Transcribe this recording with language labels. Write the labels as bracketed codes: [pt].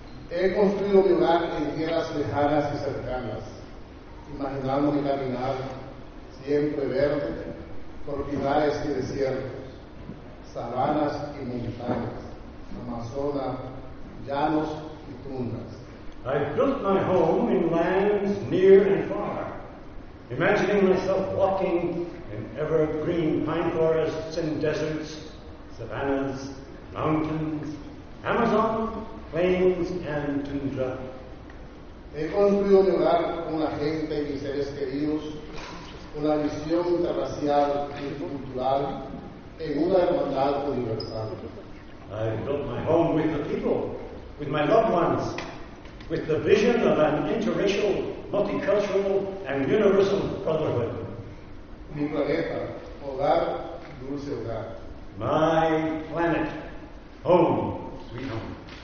[es] He construido mi hogar en tierras lejanas y cercanas, imaginando mi caminar siempre verde, por pinares y desiertos, sabanas y montañas, Amazonas, llanos y tundas. [en] I built my home in lands near and far, imagining myself walking in evergreen pine forests and deserts, savannas, mountains, Amazon, plains, and tundra. [es] He construido mi hogar con la gente y mis seres queridos, una visión interracial y cultural en una hermandad universal. [en] I built my home with the people, with my loved ones, with the vision of an interracial, multicultural, and universal brotherhood. [es] Mi planeta, hogar, dulce hogar. [en] My planet, home, sweet home.